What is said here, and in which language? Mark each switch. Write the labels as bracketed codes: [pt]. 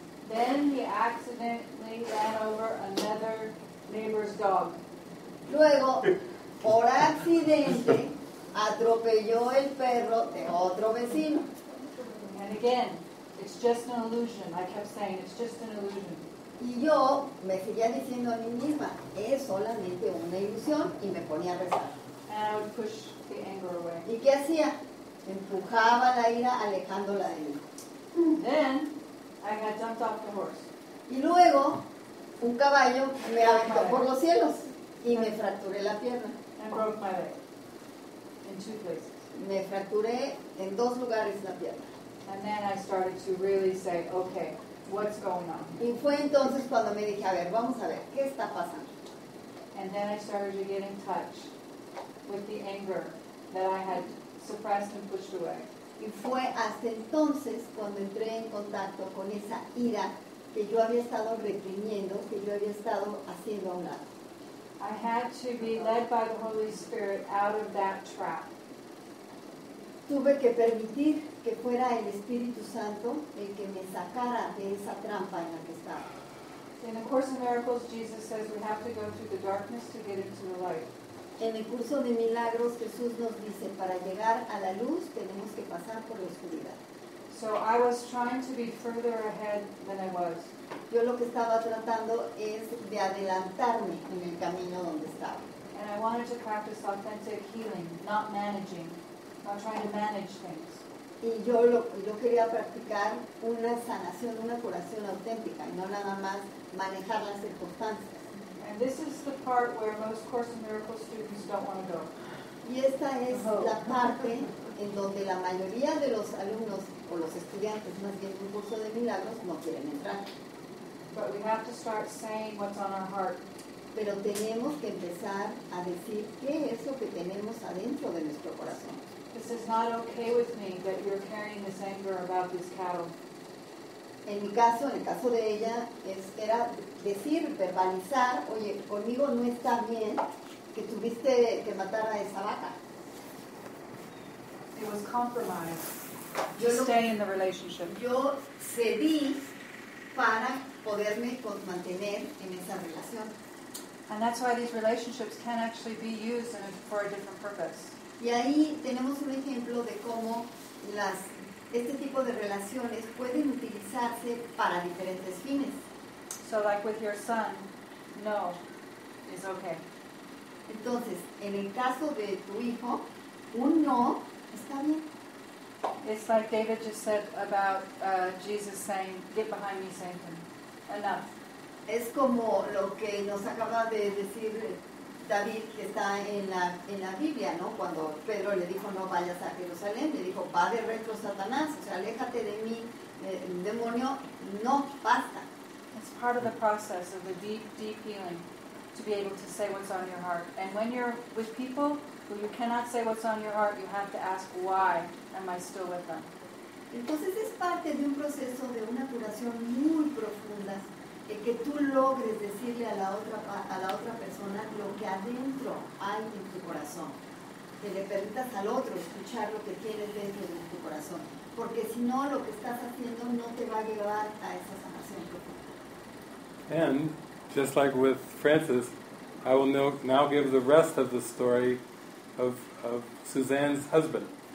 [en] Then he accidentally ran over another neighbor's dog. [es] Luego, por accidente, atropelló el perro de otro vecino. [en] And again, it's just an illusion. I kept saying, it's just an illusion. [es] Y yo me seguía diciendo a mí misma, es solamente una ilusión, y me ponía a rezar. [en] And I would push the anger away. [es] ¿Y qué hacía? Empujaba la ira alejándola de mí. [en] Then I got jumped off the horse. [es] Y luego un caballo me aventó por los cielos y me fracturé la pierna. [en] And broke my leg in 2 places. [es] Me fracturé en 2 lugares la pierna. [en] And then I started to really say, okay, what's going on? [es] Y fue entonces cuando me dije, a ver, vamos a ver, ¿qué está pasando? [en] And then I started to get in touch. with the anger that I had suppressed and pushed away. [es] Y fue hasta entonces cuando entré en contacto con esa ira que yo había estado reprimiendo, que yo había estado haciendo a un lado. [en] I had to be led by the Holy Spirit out of that trap. [es] Tuve que permitir que fuera el Espíritu Santo el que me sacara de esa trampa en la que estaba. [en] In the Course in Miracles, Jesus says we have to go through the darkness to get into the light. [es] En el curso de milagros, Jesús nos dice, para llegar a la luz, tenemos que pasar por la oscuridad. [en] So I was trying to be further ahead than I was. [es] Yo lo que estaba tratando es de adelantarme en el camino donde estaba. [en] And I wanted to practice authentic healing, not managing, not trying to manage things. [es] Y yo quería practicar una sanación, una curación auténtica, y no nada más manejar las circunstancias. [en] And this is the part where most Course in Miracles students don't want to go. [es] Y esta es la parte en donde la mayoría de los alumnos o los estudiantes, más bien un curso de milagros, no quieren entrar. [en] But we have to start saying what's on our heart. [es] Pero tenemos que empezar a decir qué es lo que tenemos adentro de nuestro corazón. [en] This is not okay with me that you're carrying this anger about these cattle. [es] En mi caso, en el caso de ella, era decir, verbalizar, oye, conmigo no está bien que tuviste que matar a esa vaca. [en] It was compromise to stay in the relationship. [es] Yo cedí para poderme mantener en esa relación. [en] And that's why these relationships can actually be used for a different purpose. [es] Y ahí tenemos un ejemplo de cómo las este tipo de relaciones pueden utilizarse para diferentes fines. [en] So like with your son, no, it's okay. [es] Entonces, en el caso de tu hijo, un no está bien. [en] It's like David just said about Jesus saying, "Get behind me, Satan." Enough. [es] Es como lo que nos acaba de decir David, que está en la Biblia, ¿no? Cuando Pedro le dijo, no vayas a Jerusalén, le dijo, va de retro Satanás, o sea, aléjate de mí, demonio, no, basta. [en] It's part of the process of the deep, deep healing to be able to say what's on your heart. And when you're with people who you cannot say what's on your heart, you have to ask, why am I still with them? [es] Entonces es parte de un proceso de una curación muy profunda, que tú logres decirle a la otra persona lo que adentro hay en tu corazón, que le permitas al otro escuchar lo que tienes dentro de tu corazón, porque si no, lo que estás haciendo no te va a llevar a esa sanación profunda. [en] And just like with Francis, I will now give the rest of the story of Suzanne's husband.